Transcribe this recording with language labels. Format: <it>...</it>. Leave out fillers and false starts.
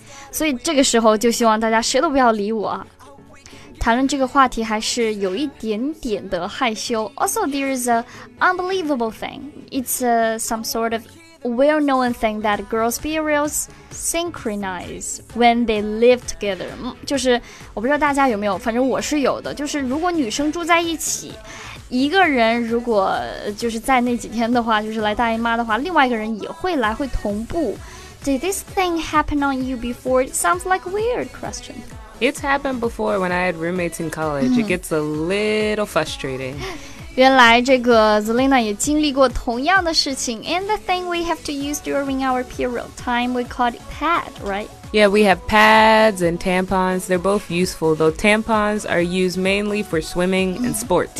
<zh>所以这个时候就希望大家谁都不要理我啊。谈论这个话题还是有一点点的害羞。</zh> <en>Also, there is an unbelievable thing. It's some sort of... well-known thing that girls' periods synchronize when they live together.</en> <zh>就是我不知道大家有没有，反正我是有的。就是如果女生住在一起，一个人如果就是在那几天的话，就是来大姨妈的话，另外一个人也会来，会同步。</zh> <en>Did this thing happen on you before? It sounds like a weird question. It's happened before when I had roommates in college. It gets a little frustrating.</en> <zh>原来这个 Zelina 也经历过同样的事情。</zh> <en>And the thing we have to use during our period time, we call it pad, right? Yeah, we have pads and tampons. They're both useful, though tampons are used mainly for swimming and sports.</en>